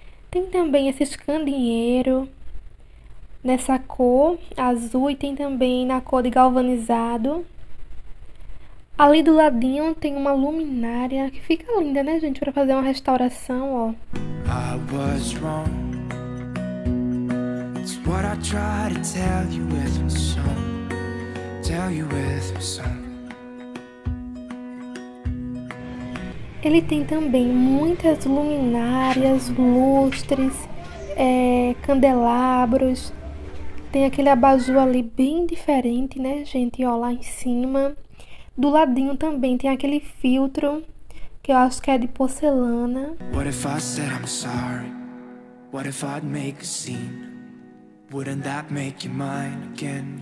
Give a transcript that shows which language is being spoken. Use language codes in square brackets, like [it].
[pt] Tem também esse candinheiro nessa cor azul e tem também na cor de galvanizado. Ali do ladinho tem uma luminária que fica linda, né, gente, para fazer uma restauração, ó. [en] I was wrong. It's what I try to tell you with my song. Tell you with my song. [pt] Ele tem também muitas luminárias, lustres, candelabros. Tem aquele abajur ali bem diferente, né, gente? Ó, lá em cima. Do ladinho também tem aquele filtro, que eu acho que é de porcelana. [en] What if I said I'm sorry? What if I'd make a scene? Wouldn't that make you mine again?